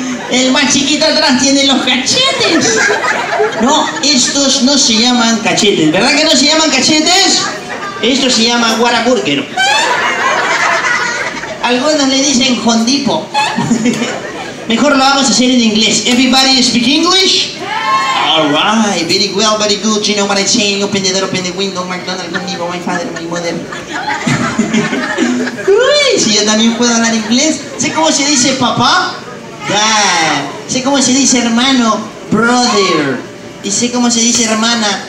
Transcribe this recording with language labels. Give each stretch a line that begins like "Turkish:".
Spanish: El más chiquito atrás tiene los cachetes. No, estos no se llaman cachetes. ¿Verdad que no se llaman cachetes? Estos se llaman guaraburger. Algunos le dicen jondipo. Mejor lo vamos a hacer en inglés.
English: Everybody speak English? Alright, very well, very good. You know what I'm saying? Open the door, open the window, McDonald's, conmigo, my father, my mother.
Spanish: Si yo también puedo hablar inglés. ¿Sé cómo se dice papá? Dad. ¿Sé cómo se dice hermano? Brother. Y sé cómo se dice hermana?